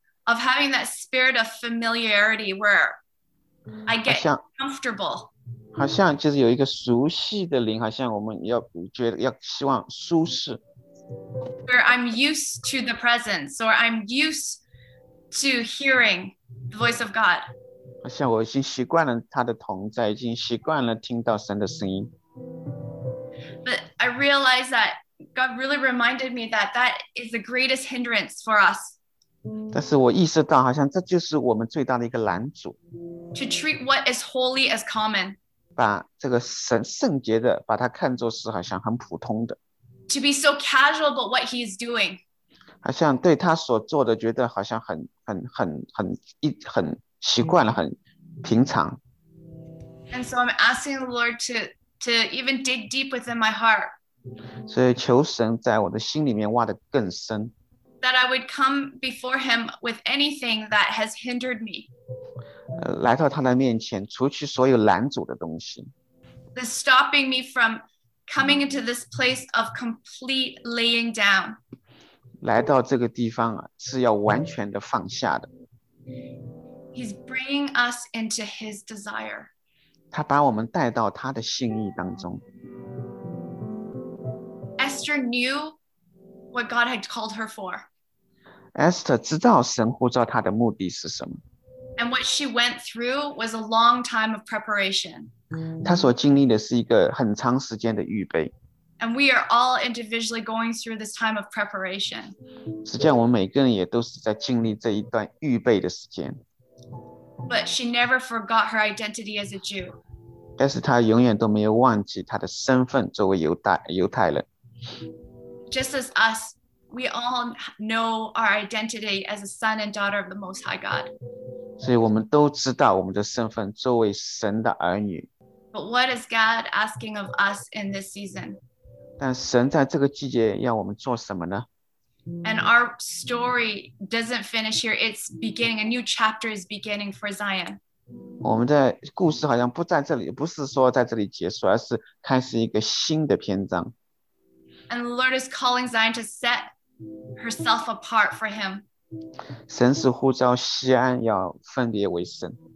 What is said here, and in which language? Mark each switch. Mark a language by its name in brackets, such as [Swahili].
[English] of having that spirit of familiarity where I get comfortable. [Chinese] 好像就是有一个熟悉的灵，好像我们要觉得要希望舒适。 [English] Where I'm used to the presence, or I'm used to hearing the voice of God. [Chinese] 好像我已经习惯了他的同在，已经习惯了听到神的声音。 [English] But I realize that. God really reminded me that is the greatest hindrance for us. [Chinese] 但是我意识到好像这就是我们最大的一个拦阻。 [English] To treat what is holy as common. [Chinese] 把这个圣洁的把它看作是好像很普通的。 [English] To be so casual about what he is doing. [Chinese] 好像对他所做的觉得好像很习惯了，很平常。 [English] And so I'm asking the Lord to even dig deep within my heart. [Chinese] 所以求神在我的心里面挖得更深。 [English] That I would come before him with anything that has hindered me. [Chinese] 来到他的面前，除去所有拦阻的东西。 [English] The stopping me from coming into this place of complete laying down. [Chinese] 来到这个地方啊，是要完全的放下的。 [English] He's bringing us into his desire. [Chinese] 他把我们带到他的心意当中。 [English] Esther knew what God had called her for. [Chinese] Esther 知道神呼召她的目的是什么。 [English] And what she went through was a long time of preparation. [Chinese] 她所经历的是一个很长时间的预备。 [English] And we are all individually going through this time of preparation. [Chinese] 实际上我们每个人也都是在经历这一段预备的时间。 [English] But she never forgot her identity as a Jew. [Chinese] 但是他永远都没有忘记他的身份作为犹太人。 [English] Just as us, we all know our identity as a son and daughter of the Most High God. [Chinese] 所以我们都知道我们的身份作为神的儿女。 [English] But what is God asking of us in this season? [Chinese] 但神在这个季节要我们做什么呢？ [English] And our story doesn't finish here. It's beginning. A new chapter is beginning for Zion. [Chinese] 我们的故事好像不在这里，不是说在这里结束，而是开始一个新的篇章。 [English] And the Lord is calling Zion to set herself apart for Him. [Chinese] 神是呼召锡安要分别为圣。